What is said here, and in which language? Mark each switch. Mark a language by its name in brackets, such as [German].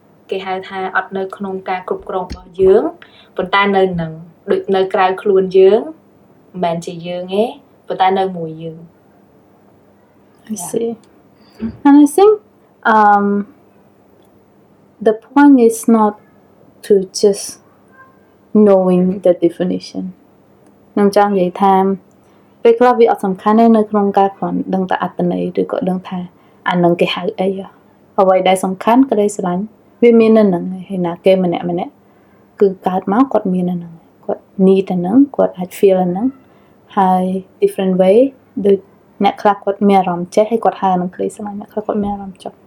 [Khmer] គេហៅថាអត់នៅក្នុងការគ្រប់គ្រងរបស់យើងប៉ុន្តែនៅនឹងដូចនៅក្រៅខ្លួនយើងមិនមែនជាយើងទេប៉ុន្តែនៅមួយយើង [English] I see. And I think the point is not to just knowing the definition. [Khmer] ខ្ញុំចង់និយាយថាពេលខ្លះវាអត់សំខាន់ទេនៅក្នុងការគ្រាន់ដឹងតែអត្តន័យឬក៏ដឹងថាអានឹងគេហៅអីអ្វីដែលសំខាន់ក្តីស្រឡាញ់វាមាននៅនឹងហើយណាគេម្នាក់គឺកើតមកគាត់មាននៅនឹងគាត់ need ទៅនឹងគាត់អាច feel ហ្នឹងហើយ [English] different way [Khmer] ដូចអ្នកខ្លះគាត់មានអារម្មណ៍ចេះហើយគាត់ហៅនឹងក្តីស្រឡាញ់អ្នកខ្លះគាត់មានអារម្មណ៍ចប